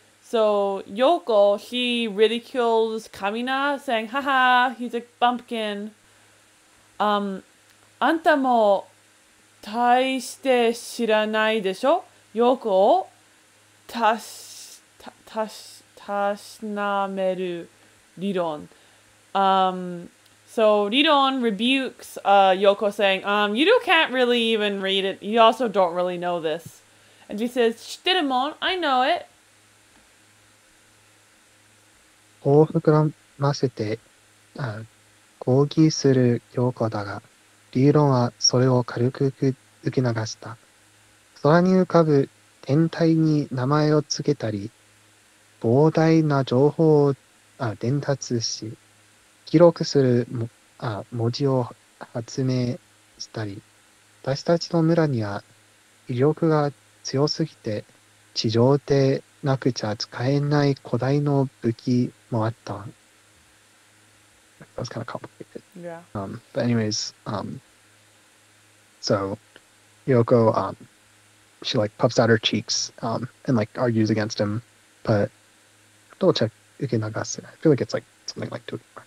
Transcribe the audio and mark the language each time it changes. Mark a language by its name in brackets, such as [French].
[English] So, ヨーコ、he ridicules カミナ saying, haha, he's a bumpkin. [Japanese] あんたも大して知らないでしょ?ヨーコをたしなめる理論。 [English] So Riron rebukes Yoko saying, you can't really even read it. You also don't really know this. And she says, Shiterumon, I know it. [Japanese] こう膨らませて、抗議するヨーコだが、リーロンはそれを軽く受け流した。空に浮かぶ天体に名前をつけたり、膨大な情報を伝達し、記録する文字を発明したり、私たちの村には威力が強すぎて地上でなくちゃ使えない古代の武器もあった。 [English] That's kind of complicated. Yeah. But anyways, so Yoko, she like puffs out her cheeks, and like argues against him, but double check 受け流す. I feel like it's like something like to.